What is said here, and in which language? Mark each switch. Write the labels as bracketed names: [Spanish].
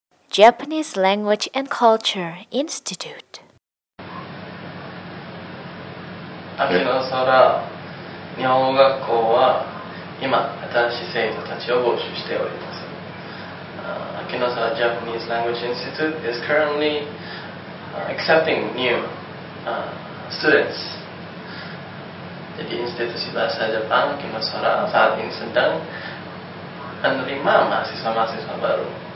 [English] Japanese Language and Culture Institute. Akina Sara. [Japanese] 日本語学校は今新しい生徒たちを募集しております。 [English] Akinosara Japanese Language Institute is currently accepting new students. [Indonesian] Jadi institusi bahasa Jepang Akinosara saat ini sedang menerima mahasiswa-mahasiswa baru.